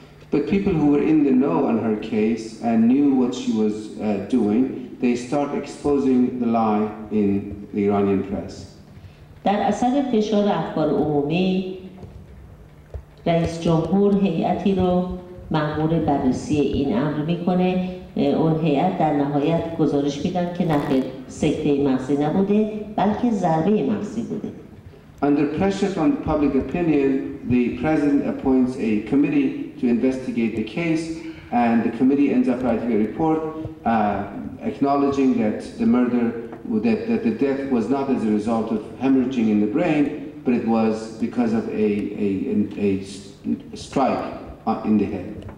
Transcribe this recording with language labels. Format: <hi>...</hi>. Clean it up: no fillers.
<en>But people who were in the know on her case and knew what she was doing, they start exposing the lie in the Iranian press.</en> <fa>در اثر فشار افکار عمومی رئیس جمهور هیئتی رو مأمور بررسی این امر میکنه. اون هیئت در نهایت گزارش میدن که نه سکته مغزی نبوده بلکه ضربه مغزی بوده.</fa> <en>Under pressure from public opinion, the president appoints a committee to investigate the case, and the committee ends up writing a report acknowledging that the murder, that the death was not as a result of hemorrhaging in the brain, but it was because of a strike in the head.</en>